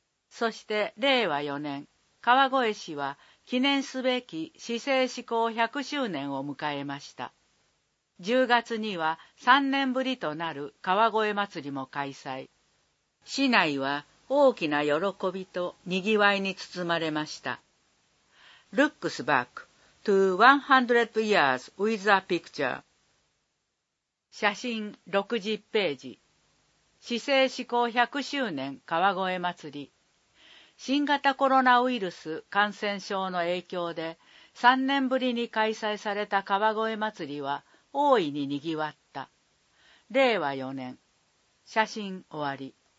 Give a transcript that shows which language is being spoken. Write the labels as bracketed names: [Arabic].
[Japanese] そして令和4年、川越市は記念すべき市政施行100周年を迎えました。 10月には3年ぶりとなる川越祭りも開催。市内は大きな喜びとにぎわいに包まれました。 [English] Looks back to 100 years with a picture. [Japanese] 写真60ページ。市政施行100周年川越祭り。新型コロナウイルス感染症の影響で3年ぶりに開催された川越祭りは大いににぎわった。令和4年。写真終わり。